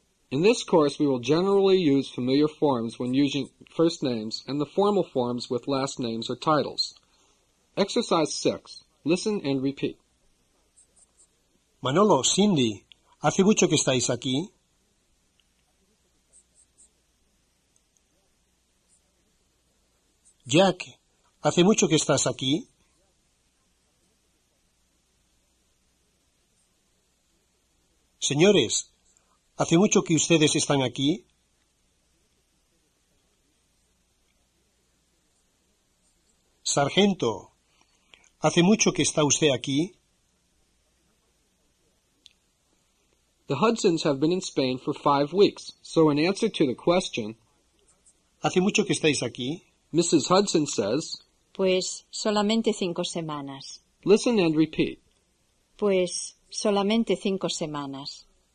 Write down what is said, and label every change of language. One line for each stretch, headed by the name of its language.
English: In this course, we will generally use familiar forms when using first names and the formal forms with last names or titles. Exercise 6. Listen and repeat.
Spanish: Manolo, Cindy, ¿hace mucho que estáis aquí? Jack, ¿hace mucho que estás aquí? Señores, ¿hace mucho que ustedes están aquí? Sargento, ¿hace mucho que está usted aquí?
English: The Hudsons have been in Spain for 5 weeks, so in answer to the question,
Spanish: ¿hace mucho que estáis aquí?
English: Mrs. Hudson says,
Spanish: pues solamente 5 semanas.
English: Listen and repeat.
Spanish: Pues solamente 5 semanas.